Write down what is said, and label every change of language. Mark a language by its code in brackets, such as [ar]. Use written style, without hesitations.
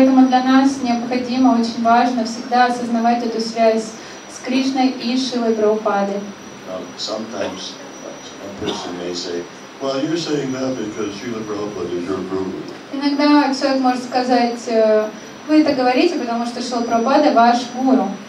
[ru] Поэтому для нас необходимо, очень важно всегда осознавать эту связь с Кришной и Шрилой Прабхупадой. [en] Sometimes a person may say, well, you're saying that because Srila Prabhupada is your guru. [ru] Иногда человек может сказать, вы это говорите, потому что Шрила Прабхупада ваш гуру.